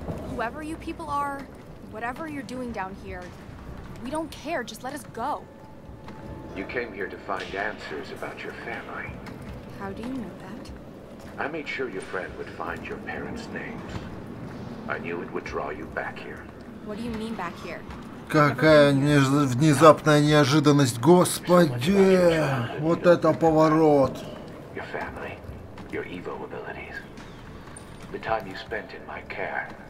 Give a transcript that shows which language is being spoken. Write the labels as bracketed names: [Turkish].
[English] Whoever you people are, whatever you're doing down here, we don't care. Just let us go. You came here to find answers about your family. How do you know that? I made sure your friend would find your parents' names. I knew it would draw you back here. What do you mean back here? [Russian] Какая внезапная неожиданность, господи! Вот это поворот! [English] Your family, your evil abilities, the time you spent in my care.